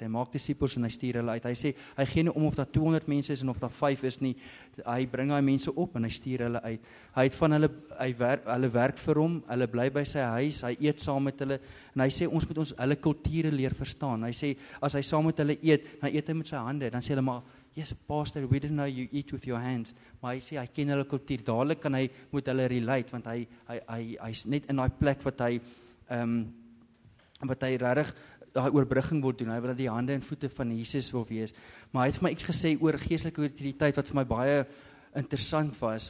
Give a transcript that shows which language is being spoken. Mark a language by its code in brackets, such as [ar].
[af] Hy maak disciples en hy stuur hulle uit. Hy sê, hy gee nie om of daar 200 mense is en of daar 5 is nie. Hy bring daai mense op en hy stuur hulle uit. Hy het van hulle, hulle werk vir hom, hulle bly by sy huis, hy eet saam met hulle. En hy sê, ons moet hulle kulture leer verstaan. Hy sê, as hy saam met hulle eet, dan eet hy met sy hande. Dan sê hulle maar, [en] yes, pastor, we didn't know you eat with your hands. [af] Maar hy sê, hy ken hulle kultuur. Dadelik kan hy met hulle relate, want hy is net in daai plek wat hy regtig daai oorbrugging wil doen. Hy wil dat die hande en voete van Jesus wil wees. Maar hy het vir my iets gesê oor geestelike autoriteit wat vir my baie interessant was.